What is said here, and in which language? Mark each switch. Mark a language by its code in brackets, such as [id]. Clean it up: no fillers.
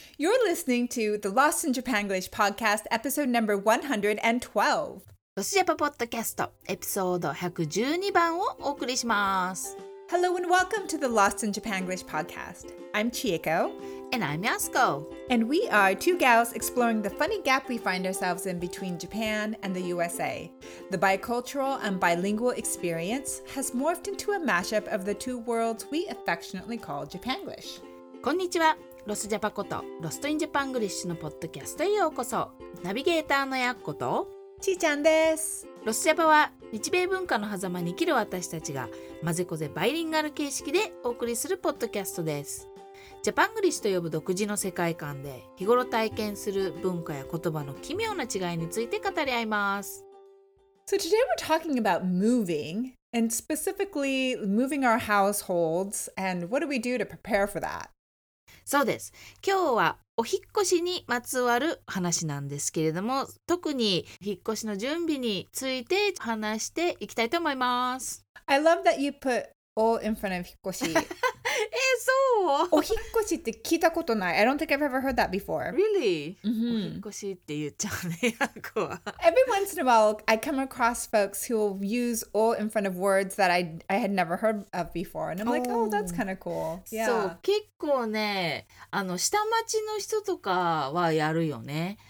[en] You're listening to the Lost in Japanglish podcast, episode number 112. [ja] ロシジャパポッドキャスト、エピソード112番をお送りします。 [en] Hello and welcome to the Lost in Japanglish podcast. I'm Chieko. And I'm Yasuko. And we are two gals exploring the funny gap we find ourselves in between Japan and the USA. The bicultural and bilingual experience has morphed into a mashup of the two worlds we affectionately call Japanglish. [ja] こんにちは。ロスジャパことロストインジャパングリッシュのポッドキャストへようこそ。ナビゲーターのやっことちーちゃんです。ロスジャパは日米文化の狭間に生きる私たちがまぜこぜバイリンガル形式でお送りするポッドキャストです。ジャパングリッシュと呼ぶ独自の世界観で日頃体験する文化や言葉の奇妙な違いについて語り合います。 [en] So today we're talking about moving and specifically moving our households and what do we do to prepare for that? [ja] そうです。今日はお引っ越しにまつわる話なんですけれども、特に引っ越しの準備について話していきたいと思います。 [en] I love that you put all in front of 引っ越し。 [ja] え、そう？お引っ越しって聞いたことない。 [en] I don't think I've ever heard that before. Really?、 [ja] Mm-hmm. お引っ越しって言っちゃうね、役 [en] は。Every once in a while, I come across folks who will use all in front of words that I had never heard of before. And I'm like, oh, that's kind of cool.、Yeah. [ja] そう、結構ね、下町の人とかはやるよね。